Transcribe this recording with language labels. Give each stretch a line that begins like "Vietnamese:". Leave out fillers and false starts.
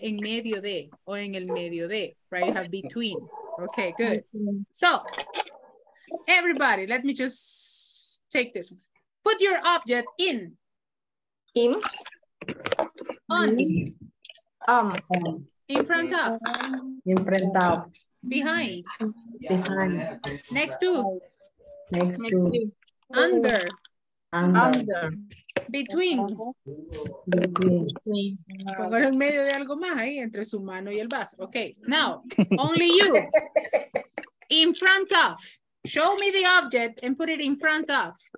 Spanish: En medio de, o en el medio de, right?
English: You have between. Okay, good. So, everybody, let me just take this one. Put your object in. In. On. In front of. In front of. Behind. Behind. Next to. Next to. Under. Under. Between. Between.
Spanish: Póngalo en medio de algo más ahí, entre su mano y el vaso.
English: Okay, now, only you. In front of. Show me the object and put it in front of.